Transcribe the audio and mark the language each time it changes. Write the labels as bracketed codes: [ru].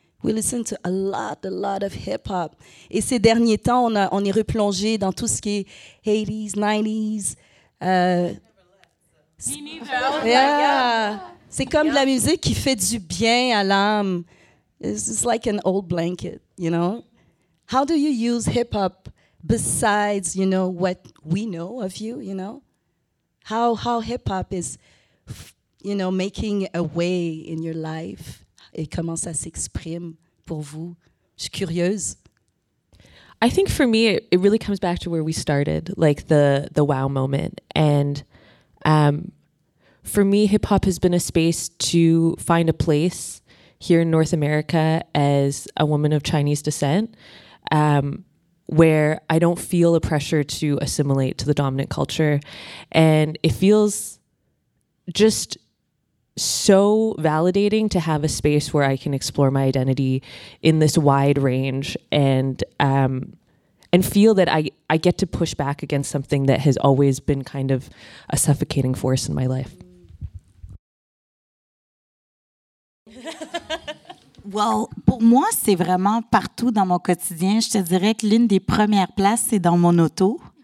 [en] We listen to a lot of hip-hop. [fr] Et ces derniers temps, on est replongé dans tout ce qui est 80s, 90s. C'est comme de la musique qui fait du bien à l'âme. [en] It's like an old blanket, you know? How do you use hip-hop besides, you know, what we know of you, you know? How hip-hop is, you know, making a way in your life? [fr] Et comment ça s'exprime pour vous? Je suis curieuse. [en] I think for me, it really comes back to where we started, like the wow moment. And for me, hip-hop has been a space to find a place here in North America as a woman of Chinese descent, where I don't feel a pressure to assimilate to the dominant culture. And it feels just so validating to have a space where I can explore my identity in this wide range and feel that I get to push back against something that has always been kind of a suffocating force in my life. [fr] Well, pour moi, c'est vraiment partout dans mon quotidien. Je te dirais que l'une des premières places, c'est dans mon auto.